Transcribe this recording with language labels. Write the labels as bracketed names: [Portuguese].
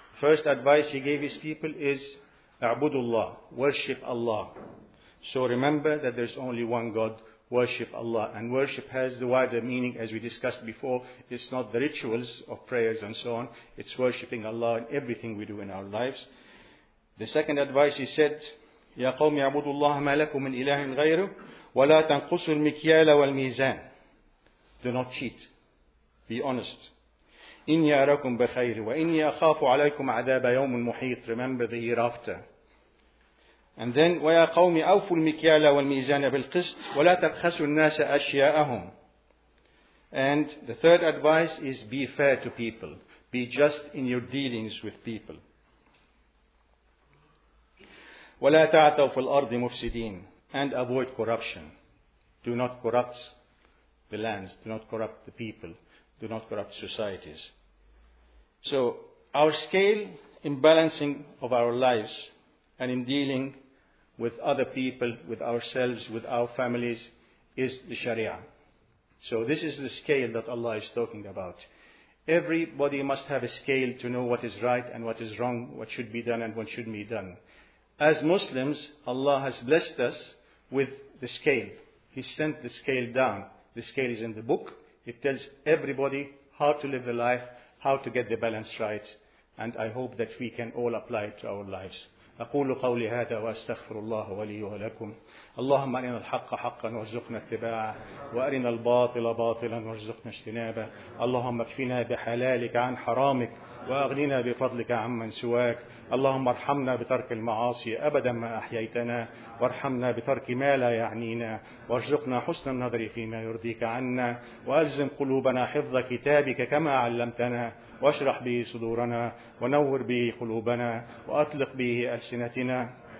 [English] First advice he gave his people is [Arabic] اعْبُدُوا اللَّهِ, [English] worship Allah. So remember that there's only one God, worship Allah. And worship has the wider meaning, as we discussed before. It's not the rituals of prayers and so on. It's worshiping Allah in everything we do in our lives. The second advice he said, [Arabic] يَا قَوْمِ اعْبُدُوا اللَّهَ مَا لَكُمْ مِنْ إِلَهٍ غَيْرِهِ وَلَا تَنْقُسُوا الْمِكْيَالَ وَالْمِيزَانَ. [English] Do not cheat. Be honest. [Arabic] إِنِّي أَرَاكُمْ بِخَيْرٍ وَإِنِّي أَخَافُ عَلَيْكُمْ عَذَابَ يَوْمٍ مُحِيطٍ. [English] Remember the hereafter. And then, [Arabic] وَيَا قَوْمِ أَوْفُوا الْمِكْيَالَ وَالْمِيزَانَ بِالْقِسْطِ وَلَا تَبْخَسُوا النَّاسَ أَشْيَاءَهُمْ. [English] And the third advice is be fair to people. Be just in your dealings with people. [Arabic] ولا تعثوا في الأرض مفسدين. [English] And avoid corruption. Do not corrupt the lands. Do not corrupt the people. Do not corrupt societies. So our scale in balancing of our lives and in dealing with other people, with ourselves, with our families, is the Sharia. So this is the scale that Allah is talking about. Everybody must have a scale to know what is right and what is wrong, what should be done and what shouldn't be done. As Muslims, Allah has blessed us with the scale. He sent the scale down. The scale is in the book. It tells everybody how to live the life, how to get the balance right. And I hope that we can all apply it to our lives. [Arabic] أقول قولي هذا وأستغفر الله ولي ولكم. اللهم أرنا الحق حقا وارزقنا اتباعه, وأرنا الباطل باطلا وارزقنا اجتنابه. اللهم اكفنا بحلالك عن حرامك, وأغننا بفضلك عمن سواك. اللهم ارحمنا بترك المعاصي أبدا ما أحييتنا، وارحمنا بترك ما لا يعنينا، وارزقنا حسن النظر فيما يرضيك عنا، وألزم قلوبنا حفظ كتابك كما علمتنا، واشرح به صدورنا، ونور به قلوبنا، وأطلق به ألسنتنا.